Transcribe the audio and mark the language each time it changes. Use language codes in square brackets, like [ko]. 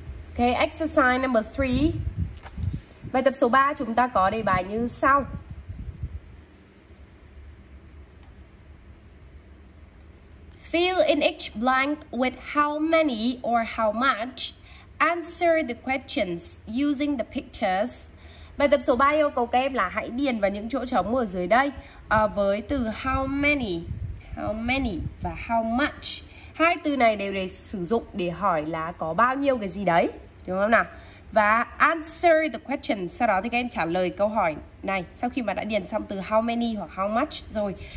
[en] Ok, exercise number 3. [vi] Bài tập số 3 chúng ta có đề bài như sau. [en] Fill in each blank with how many or how much. Answer the questions using the pictures. [vi] Bài tập số 3 yêu cầu các em là hãy điền vào những chỗ trống ở dưới đây với từ how many và how much. Hai từ này đều để sử dụng để hỏi là có bao nhiêu cái gì đấy, đúng không nào? Và answer the question, sau đó thì các em trả lời câu hỏi này sau khi mà đã điền xong từ how many hoặc how much rồi.